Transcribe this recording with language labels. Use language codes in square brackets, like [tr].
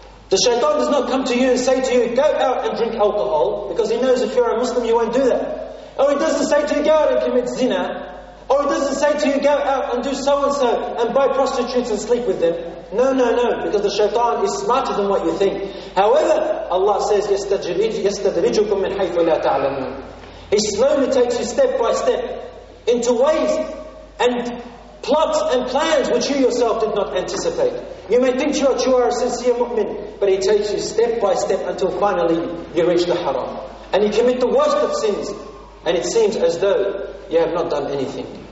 [en] The shaitan does not come to you and say to you, go out and drink alcohol, because he knows if you're a Muslim, you won't do that. Or he doesn't say to you, go out and commit zina. Or he doesn't say to you, go out and do so and so and buy prostitutes and sleep with them. No, no, no, because the shaitan is smarter than what you think. However, Allah says, [ar] يَسْتَدْرِجُكُمْ مِنْ حَيْثُ لَا تَعْلَمُونَ. [en] He slowly takes you step by step into ways and plots and plans which you yourself did not anticipate. You may think that you are a sincere mu'min, but he takes you step by step until finally you reach the haram. And you commit the worst of sins, and it seems as though you have not done anything.